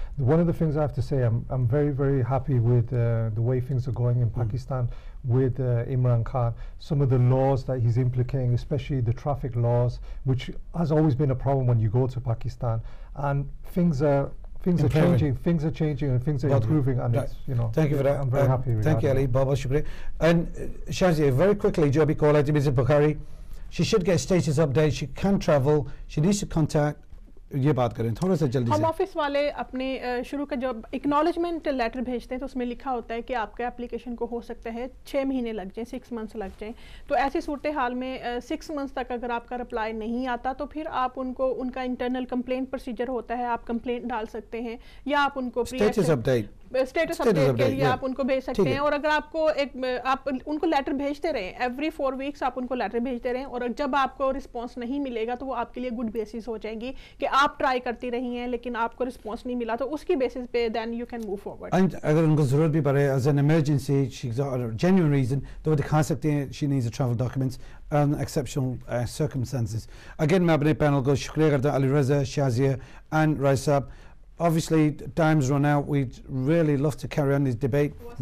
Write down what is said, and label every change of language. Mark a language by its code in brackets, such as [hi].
[en] One of the things I have to say, I'm very, very happy with the way things are going in Pakistan with Imran Khan, some of the laws that he's implicating, especially the traffic laws, which has always been a problem when you go to Pakistan. And things are changing and improving. And right. It's, you know, thank you for that. I'm very happy. Thank you, Ali. Baba Shukri. And Shazia, very quickly, Joby Kaulati, Mr. Bukhari, she should get a status update. She can travel. She needs to contact. [ur] یہ بات کریں تھوڑا سا جلدی ہم office والے اپنے شروع کا جب اکنالجمنٹ لیٹر بھیجتے ہیں تو اس میں لکھا ہوتا ہے کہ آپ کا اپلیکیشن کو ہو سکتا ہے 6 مہینے لگ جائیں 6 منتھس لگ جائیں. تو ایسی صورتحال میں 6 منتھس تک اگر آپ کا رپلائی نہیں آتا تو پھر آپ ان کو ان کا انٹرنل کمپلینٹ پروسیجر ہوتا ہے, آپ کمپلینٹ ڈال سکتے ہیں یا آپ ان کو اسٹیٹس اپڈیٹ کے لیے آپ ان کو بھیج سکتے ہیں. اور اگر آپ کو آپ ان کو لیٹر بھیجتے رہیں ایوری 4 ویکس آپ ان کو لیٹر بھیجتے رہیں اور جب آپ کو رسپانس نہیں ملے گا تو وہ آپ کے لیے گڈ بیسس ہو جائیں گی کہ آپ ٹرائی کرتی رہی ہیں لیکن آپ کو رسپانس نہیں ملا, تو اس کی بیسس پہ [en] Then you can move forward. [ur] اگر ان کو ضرورت بھی پڑے [en] as an emergency genuine reason [ur] تو وہ دکھا سکتے ہیں [en] She needs travel documents in exceptional circumstances. [ur] اگین میں اپنے پینل کو شکریہ کرتا ہوں, علی رضا, شازیہ اینڈ رائے صاحب. [en] Obviously, time's run out. We'd really love to carry on this debate.